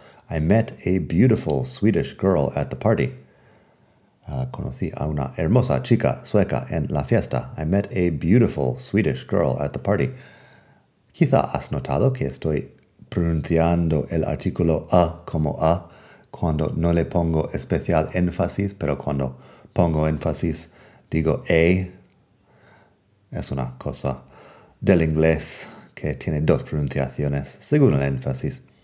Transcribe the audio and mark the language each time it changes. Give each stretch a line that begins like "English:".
English: I met a beautiful Swedish girl at the party.
Spanish: Conocí a una hermosa chica sueca en la fiesta.
English: I met a beautiful Swedish girl at the party.
Spanish: Quizá has notado que estoy pronunciando el artículo a como a cuando no le pongo especial énfasis, pero cuando pongo énfasis digo a. Es una cosa del inglés que tiene dos pronunciaciones según el énfasis.